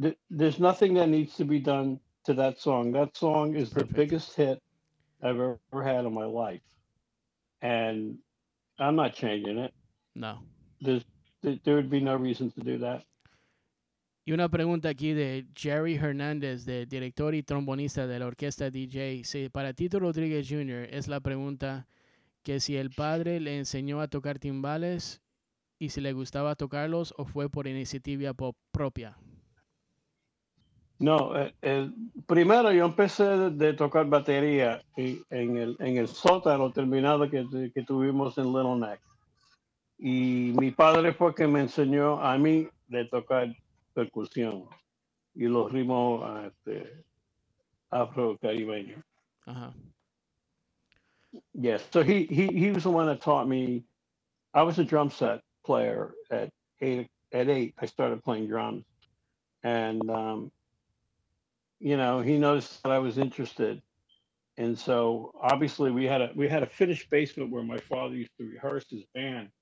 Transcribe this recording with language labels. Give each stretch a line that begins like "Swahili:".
English: there's nothing that needs to be done to that song. That song is the biggest hit I've ever had in my life, and I'm not changing it. No. There would be no reason to do that.
Spanish: Y una pregunta aquí de Jerry Hernandez, de director y trombonista de la orquesta DJ. Sí, para Tito Rodríguez Jr. es la pregunta que si el padre le enseñó a tocar timbales y si le gustaba tocarlos o fue por iniciativa propia. No, primero yo empecé de tocar batería en el sótano terminado que tuvimos en Little Neck. Y mi padre fue quien me enseñó a mí de tocar percusión y los ritmos afro-caribeños. Uh-huh.
English: Yes, so he was the one that taught me. I was a drum set player at eight. I started playing drums. And, he noticed that I was interested. And so, obviously, we had a finished basement where my father used to rehearse his band.